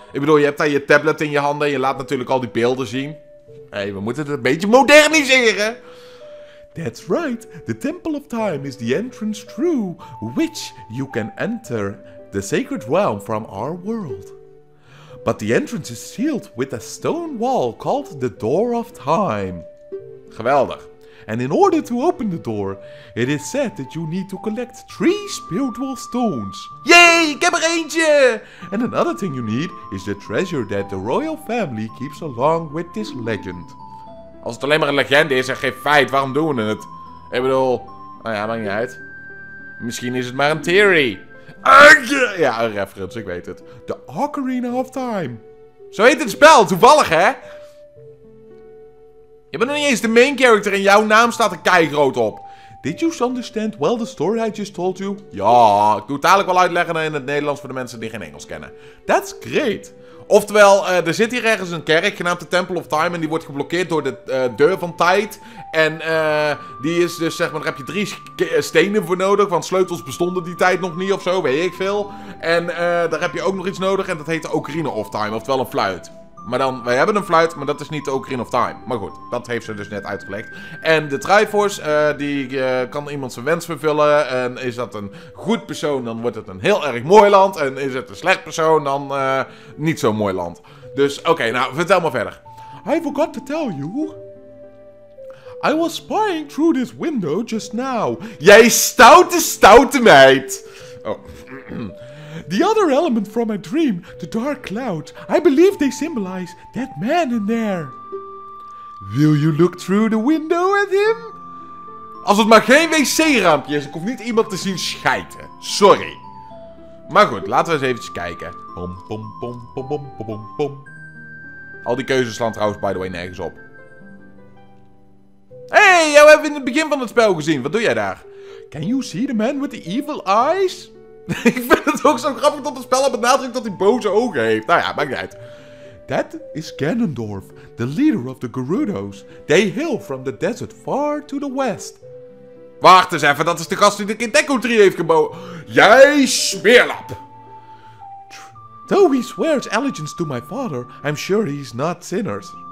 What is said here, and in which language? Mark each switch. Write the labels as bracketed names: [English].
[Dutch] Ik bedoel, je hebt daar je tablet in je handen en je laat natuurlijk al die beelden zien. Hé, hey, we moeten het een beetje moderniseren. [English] That's right. The Temple of Time is the entrance through which you can enter the sacred realm from our world. But the entrance is sealed with a stone wall called the Door of Time. [Dutch] Geweldig. [English] And in order to open the door, it is said that you need to collect 3 spiritual stones. [Dutch] Yay, ik heb er eentje! [English] And another thing you need is the treasure that the royal family keeps along with this legend. [Dutch] Als het alleen maar een legende is en geen feit, waarom doen we het? Ik bedoel, nou ja, maakt niet uit. Misschien is het maar een theory. Ja, een reference, ik weet het. [English] The Ocarina of Time. [Dutch] Zo heet het spel, toevallig hè? Je bent nog niet eens de main character en jouw naam staat er keigroot op. [English] Did you understand well the story I just told you? [Dutch] Ja, ik doe het dadelijk wel uitleggen in het Nederlands voor de mensen die geen Engels kennen. [English] That's great. [Dutch] Oftewel, er zit hier ergens een kerk genaamd de Temple of Time en die wordt geblokkeerd door de deur van tijd. En die is dus, zeg maar, daar heb je 3 stenen voor nodig, want sleutels bestonden die tijd nog niet of zo, weet ik veel. En daar heb je ook nog iets nodig en dat heet de Ocarina of Time, oftewel een fluit. Maar dan, wij hebben een fluit, maar dat is niet de Ocarina of Time. Maar goed, dat heeft ze dus net uitgelegd. En de Triforce, die kan iemand zijn wens vervullen. En is dat een goed persoon, dan wordt het een heel erg mooi land. En is het een slecht persoon, dan niet zo'n mooi land. Dus oké, nou, vertel maar verder. [English] I forgot to tell you. I was spying through this window just now. [Dutch] Jij stoute meid! Oh. [English] The other element from my dream, the dark cloud. I believe they symbolize that man in there. Will you look through the window at him? [Dutch] Als het maar geen wc-raampje is, ik hoef niet iemand te zien schijten. Sorry. Maar goed, laten we eens even kijken. Pom, pom, pom, pom, pom, pom, pom. Al die keuzes slaan trouwens, [English] by the way, [Dutch] nergens op. Hey, jou hebben we in het begin van het spel gezien. Wat doe jij daar? [English] Can you see the man with the evil eyes? [Dutch] Ik vind het ook zo grappig dat het spel al benadrukt dat hij boze ogen heeft. Nou ja, maakt niet uit. [English] That is Ganondorf, the leader of the Gerudos. They hail from the desert far to the west. [Dutch] Wacht eens even, dat is de gast die de Kinteko Tree heeft gebouwd. Jij smeerlap! [English] Though he swears allegiance to my father, I'm sure he's not sinners.